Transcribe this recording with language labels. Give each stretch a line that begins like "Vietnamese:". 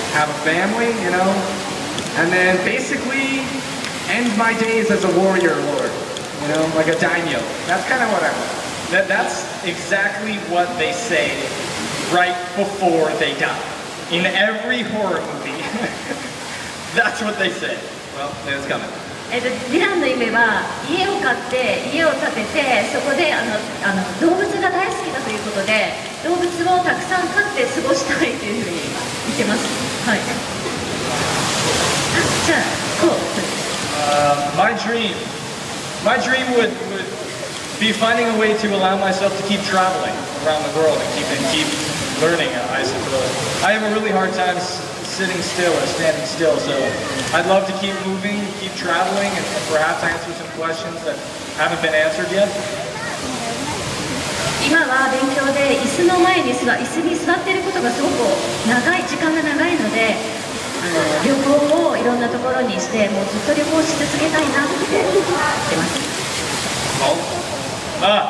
English: Have a family, you know, and then basically end my days as a warrior lord, you know, like a daimyo. That's kind of what I want. That's exactly what they say right before they die. In every horror movie, that's what they say. Well, it's coming.
Japanese: ディランの夢は家を買って家を建ててそこで動物が大好きだということで動物をたくさん飼って過ごしたいというふうに言ってます。はい。じゃあこう。
English: My dream would be finding a way to allow myself to keep traveling around the world and keep learning. I suppose I have a really hard time sitting still or standing still, so I'd love to keep moving, keep traveling, and perhaps answer some questions that haven't been answered yet.
Japanese: 今は勉強で椅子の前に椅子に座っていることがすごく長い時間が長いので旅行をいろんなところにしてもうずっと旅行し続けたいなって言ってます。